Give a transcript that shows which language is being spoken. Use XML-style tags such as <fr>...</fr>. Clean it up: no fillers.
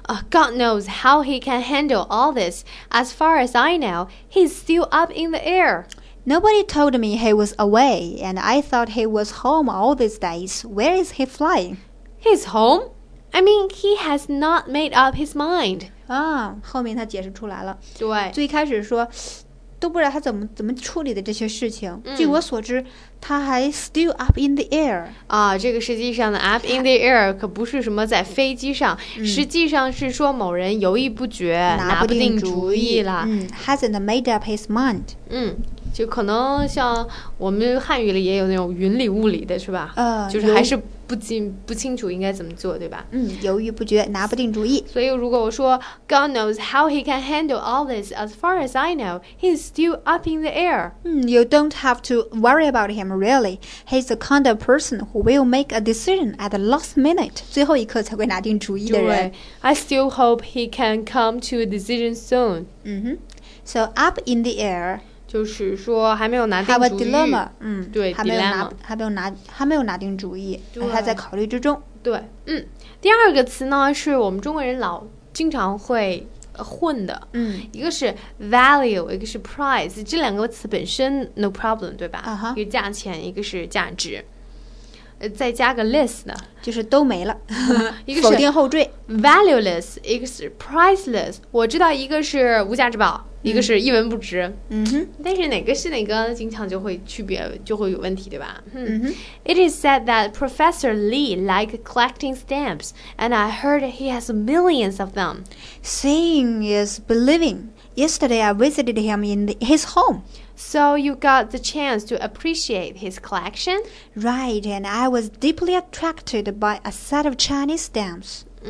<en>God knows how he can handle all this. As far as I know, he's still up in the air. Nobody told me he was away, and I thought he was home all these days. Where is he flying? He's home? I mean, he has not made up his mind.</en> <zh>后面他解释出来了。对。最开始说都不知道他怎么处理的这些事情。据我所知，他还</zh> <en>still up in the air。</en> <zh>这个实际上的</zh> <en>up in the air</en> <zh>可不是什么在飞机上，实际上是说某人犹豫不决，拿不定主意了。</zh> <en>Hasn't made up his mind。</en> <zh>就可能像我们汉语里也有那种云里雾里的，是吧？就是还是不清楚应该怎么做，对吧？犹豫不决，拿不定主意。所以如果我说</zh> <en>God knows how he can handle all this, as far as I know, he's still up in the air. You don't have to worry about him, really. He's the kind of person who will make a decision at the last minute,</en> <zh>最后一刻才会拿定主意的人。</zh> <en>对， I still hope he can come to a decision soon. So up in the air,</en> <zh>就是说还没有拿定主意。</zh> <en>Have a dilemma.</en> <zh>对，还没有拿定主意，还在考虑之中。对，第二个词呢，是我们中国人老经常会混的。一个是 value, 一个是 price, 这两个词本身</zh> <en>no problem,</en> <zh>对吧？一个价钱，一个是价值。再加个 less 呢，就是都没了，一个是否定后缀 valueless, 一个是 priceless. 我知道一个是无价之宝，一个是一文不值。但是哪个是哪个，经常就会区别，就会有问题，对吧？</zh> <en>It is said that Professor Lee liked collecting stamps, and I heard he has millions of them. Seeing is believing. Yesterday I visited him in his home. So you got the chance to appreciate his collection? Right, and I was deeply attracted by a set of Chinese stamps.</en>